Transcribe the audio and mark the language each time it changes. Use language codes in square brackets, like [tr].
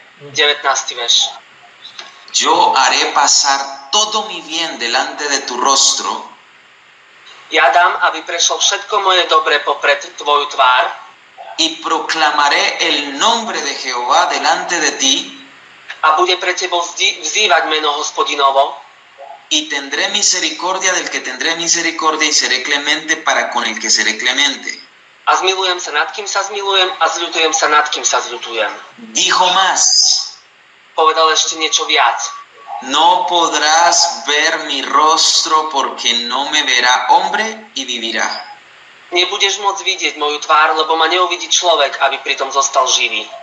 [sk] 19. verš. [es] Yo haré pasar todo mi bien delante de tu rostro. [sk] Ja dám, aby prešlo všetko moje dobre popred tvoju tvár. [es] Y proclamaré el nombre de Jehová delante de ti. [sk] A bude pre tebo vzývať meno Hospodinovo. [es] Y tendré misericordia del que tendré misericordia y seré clemente para con el que seré clemente. [sk] A zmilujem sa nad kým sa zmilujem a zľutujem sa nad kým sa zľutujem. [es] Dijo más. [sk] Povedal ešte niečo viac. [es] No podrás ver mi rostro porque no me verá hombre y vivirá. [sk] Nebudeš môcť vidieť moju tvár, lebo ma neuvidí človek, aby pritom zostal živý.